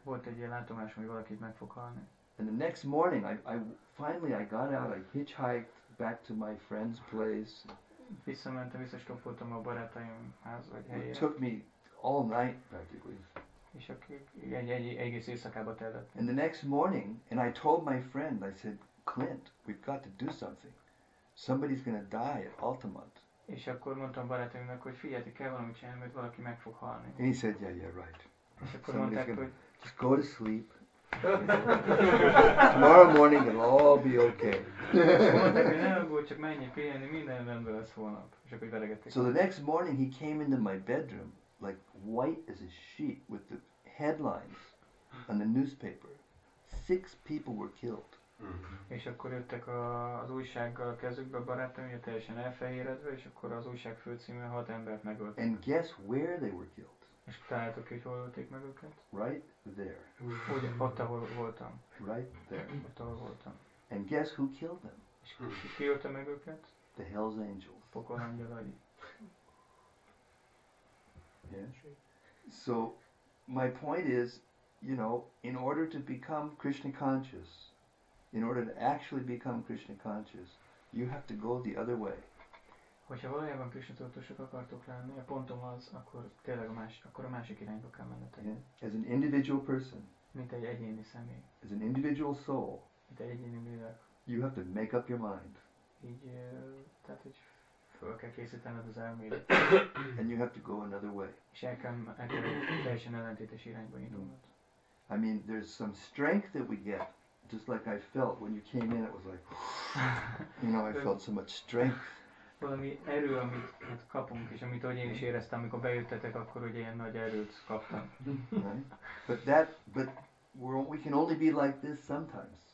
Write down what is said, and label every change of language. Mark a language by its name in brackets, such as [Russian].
[Hungarian] Volt egy ilyen látomás, hogy valakit meg fog halni. [English] And the next morning, I finally got out. I hitchhiked back to my friend's place. [Hungarian] Visszamentem, visszastoppoltam a barátaim ház vagy helyére. [English] It took me all night practically. [Hungarian] És egész éjszakába tellett. [English] And the next morning, and I told my friend, I said, Clint, we've got to do something. Somebody's going to die at Altamont. [Hungarian] És akkor mondtam barátaimnak, hogy figyeljetek, kell valamit csinálni, mert valaki meg fog halni. [English] And he said, yeah, right. [Hungarian] És akkor mondták, hogy [English] just go to sleep. Tomorrow morning it'll all be okay. [Hungarian] És mondták, hogy ne aggódj, csak menjél pihenni, minden rendben lesz holnap. És akkor veregették. [English] So the next morning he came into my bedroom, like white as a sheet, with the headlines on the newspaper. 6 people were killed. Mm-hmm. [Hungarian] És akkor jöttek az újsággal a kezükbe, barátom, ugye teljesen elfehéredve, és akkor az újság főcíme 6 embert megöltek. [English] And guess where they were killed? [Hungarian] És találtok ki, hogy hol ölték meg őket? [English] Right there. [Hungarian] Ugye, ott, ahol voltam. [English] Right there. [Hungarian] Ott, ahol voltam. [English] And guess who killed them? [Hungarian] És ki ölte meg őket? [English] The Hell's Angels. [Hungarian] Pokol angyalai. [English] Yeah. So, my point is, you know, in order to become Krishna conscious, in order to actually become Krishna conscious, you have to go the other way. [Hungarian] Hogyha valójában Krishna tudatosok akartok lenni, a pontom az, akkor tényleg a másik irányba kell mennetek. [English] Yeah. As an individual person. [Hungarian] Mint egy egyéni személy. [English] As an individual soul. [Hungarian] Mint egy egyéni lélek. [English] You have to make up your mind. [Hungarian] Így, tehát hogy föl kell készítened az elmédet. [English] And you have to go another way. [Hungarian] És el kell teljesen ellentétes irányba indulnod. [English] I mean, there's some strength that we get. Just like I felt when you came in, it was like, you know, I felt so much strength. [Hungarian] Valami erő, amit kapunk, és amit ahogy én is éreztem, amikor bejöttetek, akkor ugye ilyen nagy erőt kaptam. [English] But we can only be like this sometimes.